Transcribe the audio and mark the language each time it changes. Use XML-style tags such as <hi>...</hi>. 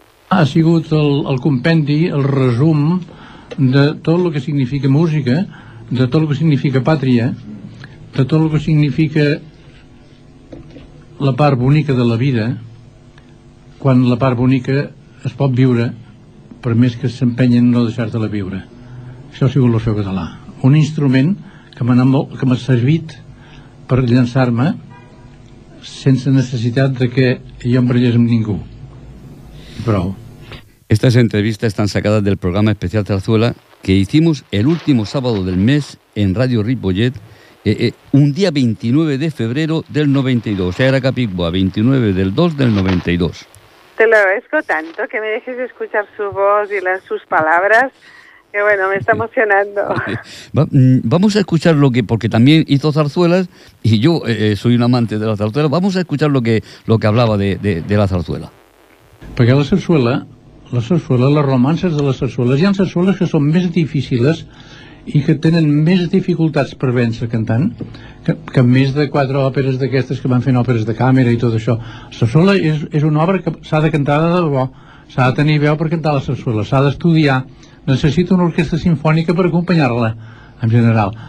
<ca>ha sigut el compendi, el resum de tot el que significa música, de tot el que significa pàtria, de tot el que significa la part bonica de la vida, quan la part bonica es pot viure, per més que s'empenyen no deixar-te-la viure. Això ha sigut l'Orfeó Català, un instrument que m'ha servit per llançar-me sense necessitat de que jo em brillés amb ningú. Prou.</ca> <es>Estas entrevistas están sacadas del programa especial Zarzuela que hicimos el último sábado del mes en Radio Ripollet, un día 29 de febrero del 92. Era Capicua, 29 del 2 del 92. Te lo agradezco tanto que me dejes escuchar su voz y sus palabras, que bueno, me está emocionando. Vamos a escuchar lo que, porque también hizo zarzuelas y yo soy un amante de la zarzuela, vamos a escuchar lo que hablaba de la zarzuela. Porque la zarzuela...</es> <ca>La sarsuela, les romances de les sarsueles. Hi ha sarsueles que són més difícils i que tenen més dificultats per vèncer cantant que més de quatre òperes d'aquestes que van fent òperes de càmera i tot això. La sarsuela és una obra que s'ha de cantar de debò, s'ha de tenir veu per cantar la sarsuela, s'ha d'estudiar, necessita una orquestra sinfònica per acompanyar-la, en general.</ca>